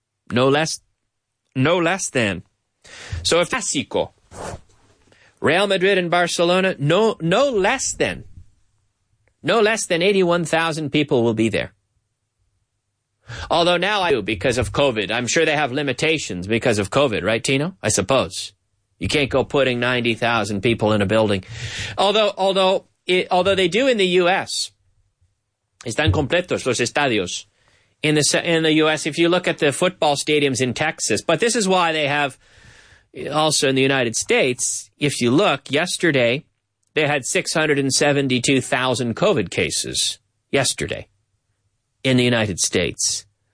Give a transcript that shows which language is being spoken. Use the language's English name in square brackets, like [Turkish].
[English] No less than. So if Clásico, Real Madrid and Barcelona, no less than 81,000 people will be there. Although now I do because of COVID. I'm sure they have limitations because of COVID, right, Tino? I suppose. You can't go putting 90,000 people in a building. Although they do in the U.S. [Spanish] Están completos los estadios. [English] In the U.S., if you look at the football stadiums in Texas, but this is why they have... Also in the United States, if you look, yesterday they had 672,000 COVID cases yesterday in the United States.